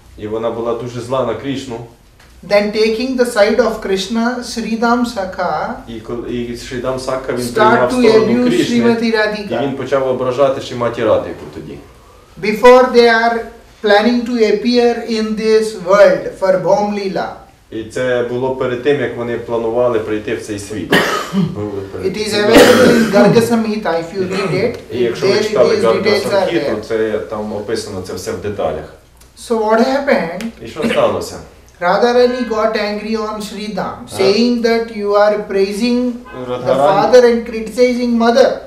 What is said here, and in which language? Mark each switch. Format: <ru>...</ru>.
<uk>І вона була дуже зла на Кришну.</uk> <en>Then taking the side of Krishna, Sridham Sakha.</en> <uk>І Sridham Sakha він прийняв сторону Кришни. І він почав ображати Шрімати Радіку тоді.</uk> <en>Before they are planning to appear in this world for Bhom Lila.</en> <uk>І це було перед тим, як вони планували прийти в цей світ.</uk> <en>It is available in Garga Samhita, if you read it.</en> <uk>І якщо ви читали Garga Samhita, то це там описано це все в деталях.</uk> <en>So what happened?</en> <uk>І що сталося?</uk> <en>Radharani got angry on Sridham, saying that you are praising the father and criticizing mother.</en>